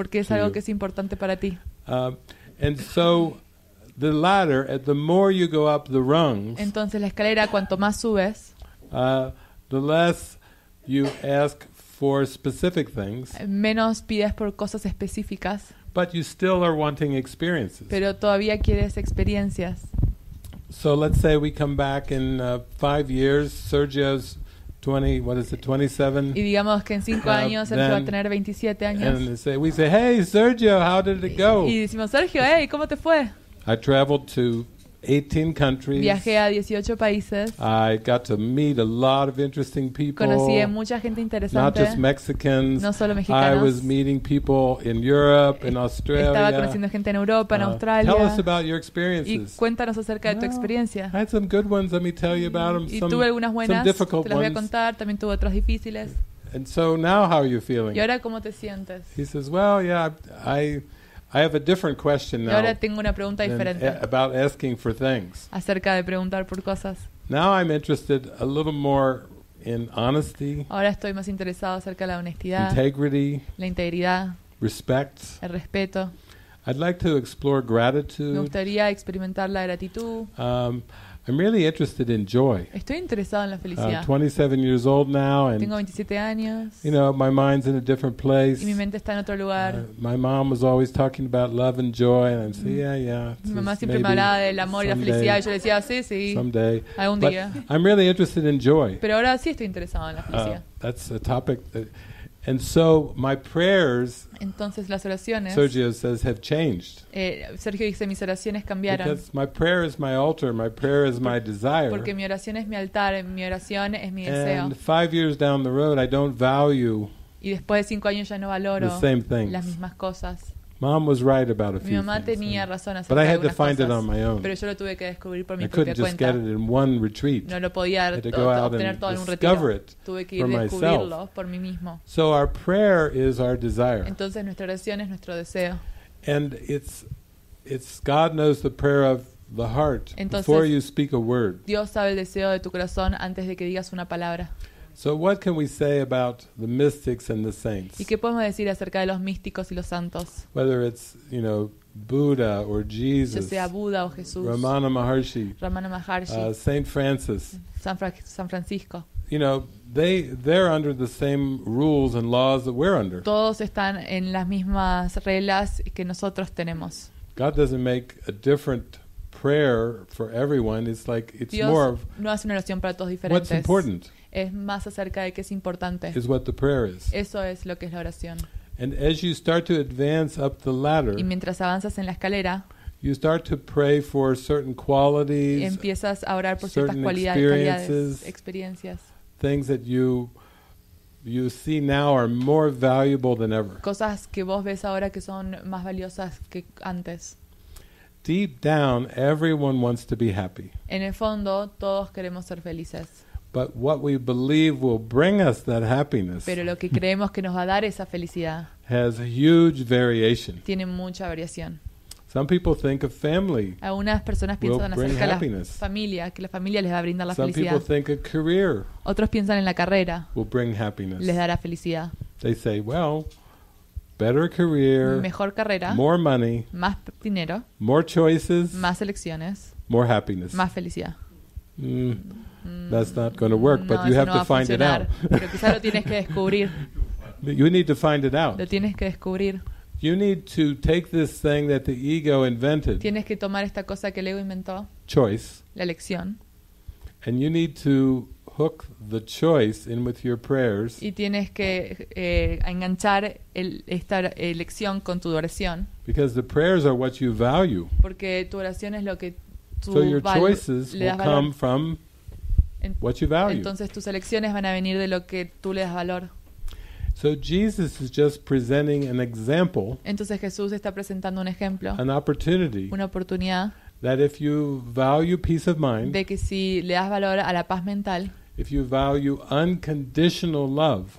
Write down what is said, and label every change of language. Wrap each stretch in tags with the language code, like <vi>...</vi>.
<es>Porque es algo que es importante para ti.</es> <en>And so the ladder, the more you go up the rungs.</en> <es>Entonces la escalera, cuanto más subes,</es> <en>the less you ask for specific things.</en> <es>Menos pides por cosas específicas.</es> <en>But you still are wanting experiences.</en> <es>Pero todavía quieres experiencias.</es> <en>So let's say we come back in 5 years, Sergio's 27.</en> <es>Y digamos que en 5 años él va a tener 27 años.</es> <en>And we say, "Hey Sergio, how did it go?"</en> <es>Y decimos, "Sergio, hey, ¿cómo te fue?"</es> <en>I traveled to 18 countries.</en> <es>Viajé a 18 países.</es> <en>I got to meet a lot of interesting people.</en> <es>Conocí a mucha gente interesante.</es> <en>Not just Mexicans.</en> <es>No solo mexicanos.</es> <en>I was meeting people in Europe, in Australia.</en> <es>Estaba conociendo gente en Europa, en Australia.</es> <en>Tell us about your experiences.</en> <es>Y cuéntanos acerca de tu experiencia.</es> <en>I had some good ones. Let me tell you about them.</en> <es>Y tuve algunas buenas.</es> <en>Some difficult</en> <es>ones. Te las voy a contar. También tuve otras difíciles.</es> <en>And so now, how are you feeling?</en> <es>¿Y ahora cómo te sientes?</es> <en>He says, "Well, yeah, I have a different question now."</en> <es>Ahora tengo una pregunta diferente.</es> <en>About asking for things.</en> <es>Acerca de preguntar por cosas.</es> <en>Now I'm interested a little more in honesty.</en> <es>Ahora estoy más interesado acerca de la honestidad.</es> <en>Integrity.</en> <es>La integridad.</es> <en>Respect.</en> <es>El respeto.</es> <en>I'd like to explore gratitude.</en> <es>Me gustaría experimentar la gratitud.</es> <en>I'm really interested in joy.</en> <es>Estoy interesado en la felicidad.</es> <en>I'm 27 years old now, and</en> <es>tengo 27 años.</es> <en>You know, my mind's in a different place.</en> <es>Y mi mente está en otro lugar.</es> <en>My mom was always talking about love and joy, and I'd say, yeah.</en> <es>Mi mamá siempre me hablaba del amor y la felicidad, y yo decía, sí.</es> <en>Someday.</en> <es>Algún</es> <en>but</en> <es>día.</es> <en>I'm really interested in joy.</en> <es>Pero ahora sí estoy interesado en la felicidad.</es> <en>That's a topic that, and so my prayers.</en> <es>Entonces las oraciones.</es> <en>Sergio says have changed.</en> <es>Sergio dice mis oraciones cambiaron.</es> <en>Because my prayer is my altar, my prayer is my desire.</en> <es>Porque mi oración es mi altar, mi oración es mi deseo.</es> <en>And 5 years down the road, I don't value.</en> <es>Y después de 5 años ya no valoro</es> <en>the same things.</en> <es>Las mismas cosas.</es> <en>Mom was right about a few things.</en> <es>Mi mamá tenía razón acerca</es> <en>but I had to find</en> <es>cosas,</es> <en>it on my own.</en> <es>Pero yo lo tuve que descubrir por mi</es> <en>I couldn't</en> <es>propia</es> <en>just</en> <es>cuenta.</es> <en>Get it in one retreat.</en> <es>No lo podía</es> <en>I had to go out and discover it</en> <es>tuve que ir</es> <en>for myself.</en> <es>Por mí mismo.</es> <en>So our prayer is our desire.</en> <es>Entonces nuestra oración es nuestro deseo.</es> <en>And it's God knows the prayer of the heart.</en> <es>Entonces,</es> <en>before you speak a word.</en> <es>Dios sabe el deseo de tu corazón antes de que digas una palabra.</es> <en>So what can we say about the mystics and the saints?</en> <es>¿Y qué podemos decir acerca de los místicos y los santos?</es> <en>Whether it's, you know, Buddha or Jesus.</en> <es>Ya sea Buda o Jesús.</es> <en>Ramana Maharshi. Saint Francis.</en> <es>San Francisco.</es> <en>You know, they're under the same rules and laws that we're under.</en> <es>Todos están en las mismas reglas que nosotros tenemos.</es> <en>God doesn't make a different prayer for everyone. It's like it's</en> <es>Dios</es> <en>more of</en> <es>no hace una oración para todos diferentes.</es> <en>What's important?</en> <es>Es más acerca de qué es importante.</es> <en>Is what the prayer is.</en> <es>Eso es lo que es la oración.</es> <en>And as you start to advance up the ladder,</en> <es>y mientras avanzas en la escalera,</es> <en>you start to pray for certain qualities,</en> <es>y empiezas a orar por</es> <en>certain</en> <es>ciertas cualidades,</es> <en>experiences,</en> <es>experiencias,</es> <en>things that you see now are more valuable than ever.</en> <es>Cosas que vos ves ahora que son más valiosas que antes.</es> <en>Deep down, everyone wants to be happy.</en> <es>En el fondo, todos queremos ser felices.</es> <en>But what we believe will bring us that happiness.</en> <es>Pero lo que creemos que nos va a dar esa felicidad.</es> <en>Has huge variation.</en> <es>Tiene mucha variación.</es> <en>Some people think of family.</en> <es>Algunas personas piensan acerca de</es> <en>happiness.</en> <es>La familia, que la familia les va a brindar la</es> <en>Some</en> <es>felicidad.</es> <en>Some people think of career.</en> <es>Otros piensan en la carrera.</es> <en>Will bring happiness.</en> <es>Les dará felicidad.</es> <en>They say, "Well, better career,</en> <es>mejor carrera,</es> <en>more money,</en> <es>más dinero,</es> <en>more choices,</en> <es>más elecciones,</es> <en>more happiness,</en> <es>más felicidad."</es> <en>That's not going to work,</en> <es>no,</es> <en>but you have</en> <es>no</es> <en>to find it out.</en> <es>Pero quizá lo tienes que descubrir.</es> <en>You need to find it out.</en> <es>Lo tienes que descubrir.</es> <en>You need to take this thing that the ego invented.</en> <es>Tienes que tomar esta cosa que el ego inventó.</es> <en>Choice.</en> <es>La elección.</es> <en>And you need to hook the choice in with your prayers.</en> <es>Y tienes que enganchar esta elección con tu oración.</es> <en>Because the prayers are what you value.</en> <es>Porque tu oración es lo que tú</es> <en>So your choices will come from what you value.</en> <es>Entonces tus elecciones van a venir de lo que tú le das valor.</es> <en>So Jesus is just presenting an example.</en> <es>Entonces Jesús está presentando un ejemplo.</es> <en>An opportunity.</en> <es>Una oportunidad.</es> <en>That if you value peace of mind.</en> <es>De que si le das valor a la paz mental.</es> <en>If you value unconditional love.</en>